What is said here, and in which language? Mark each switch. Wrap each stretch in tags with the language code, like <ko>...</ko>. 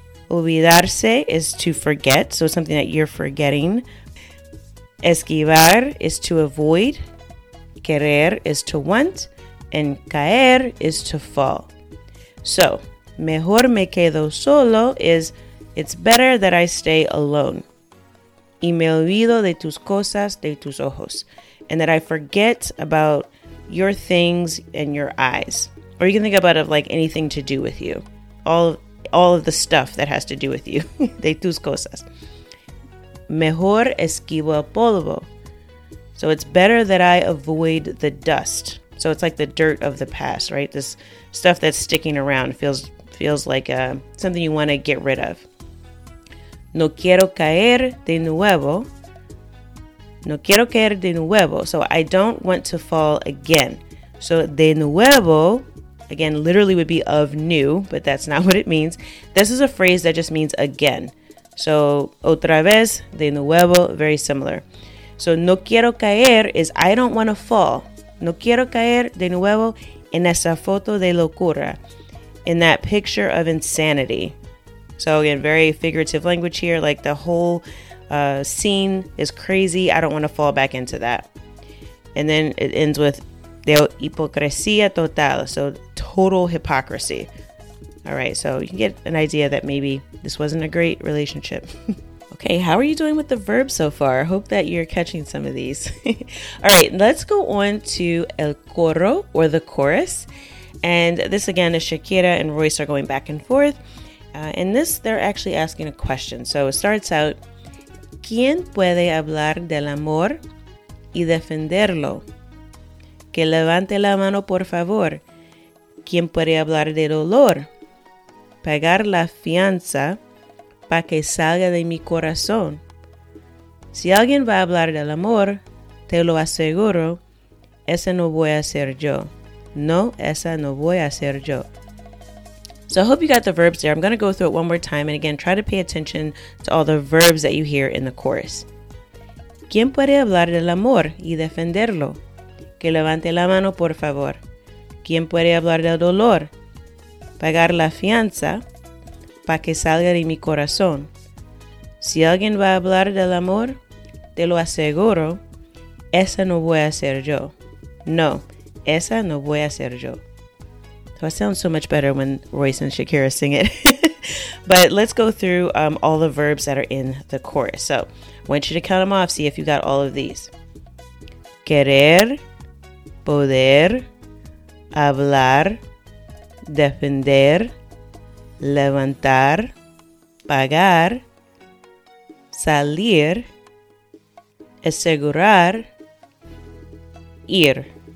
<en>Olvidarse is to forget, so something that you're forgetting. Esquivar is to avoid. Querer is to want. And caer is to fall. So,</en> <es>mejor me quedo solo</es> <en>is it's better that I stay alone.</en> <es>Y me olvido de tus cosas, de tus ojos.</es> <en>And that I forget about your things and your eyes. Or you can think about it like anything to do with you. All of the stuff that has to do with you.</en> <es>De tus cosas. Mejor esquivo el polvo.</es> <en>So it's better that I avoid the dust. So it's like the dirt of the past, right? This stuff that's sticking around feels like something you want to get rid of.</en> <es>No quiero caer de nuevo. No quiero caer de nuevo.</es> <en>So I don't want to fall again. So</en> <es>de nuevo,</es> <en>again, literally would be of new, but that's not what it means. This is a phrase that just means again. So</en> <es>otra vez, de nuevo,</es> <en>very similar. So</en> <es>no quiero caer</es> <en>is I don't want to fall.</en> <es>No quiero caer de nuevo en esa foto de locura.</es> <en>In that picture of insanity. So again, very figurative language here. Like the whole scene is crazy. I don't want to fall back into that. And then it ends with</en> <es>de hipocresía total.</es> <en>So total hypocrisy. All right. So you can get an idea that maybe this wasn't a great relationship. Okay, how are you doing with the verb so far? I hope that you're catching some of these. All right, let's go on to</en> <es>el coro</es> <en>or the chorus. And this again is Shakira and Royce are going back and forth. And this, they're actually asking a question. So it starts out,</en> <es>¿Quién puede hablar del amor y defenderlo? Que levante la mano, por favor. ¿Quién puede hablar del dolor? Pagar la fianza. Para que salga de mi corazón. Si alguien va a hablar del amor, te lo aseguro, esa no voy a ser yo. No, esa no voy a ser yo.</es> <en>So I hope you got the verbs there. I'm going to go through it one more time. And again, try to pay attention to all the verbs that you hear in the chorus.</en> <es>¿Quién puede hablar del amor y defenderlo? Que levante la mano, por favor. ¿Quién puede hablar del dolor? Pagar la fianza. Pa que salga de mi corazón. Si alguien va a hablar del amor, te lo aseguro, esa no voy a ser yo. No, esa no voy a ser yo.</es> <en>So it sounds so much better when Royce and Shakira sing it. But let's go through all the verbs that are in the chorus. So I want you to count them off, see if you got all of these.</en> <es>Querer, poder, hablar, defender, levantar, pagar, salir, asegurar, ir.</es>